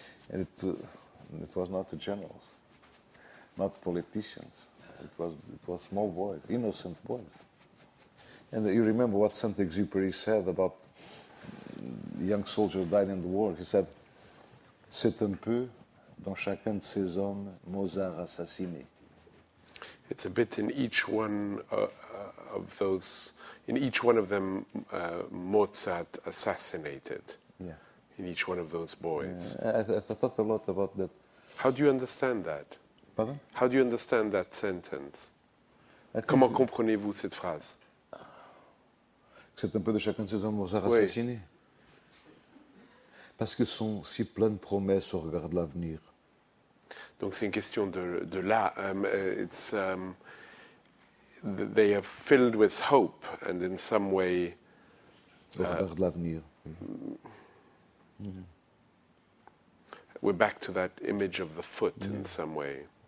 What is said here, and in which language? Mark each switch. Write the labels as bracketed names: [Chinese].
[English] And it was not the generals, not politicians. It was small boys, innocent boys. And you remember what Saint-Exupéry said about the young soldier who died in the war. He said, [French] c'est un peu dans chacun de ces hommes Mozart assassiné. [English] It's a bit in each one of those, in each one of them, Mozart assassinated. Yeah. In each one of those boys. Yeah. I thought a lot about that. How do you understand that? Pardon? How do you understand that sentence? [French] Comment comprenez-vous cette phrase? C'est un peu de chacun de ces hommes Mozart assassiné. parce que sont si pleines de promesses au regard de l'avenir. Donc c'est une question de là. [English] It's they are filled with hope and in some way. [French] Au regard de l'avenir. [English] We're back to that image of the foot in some way.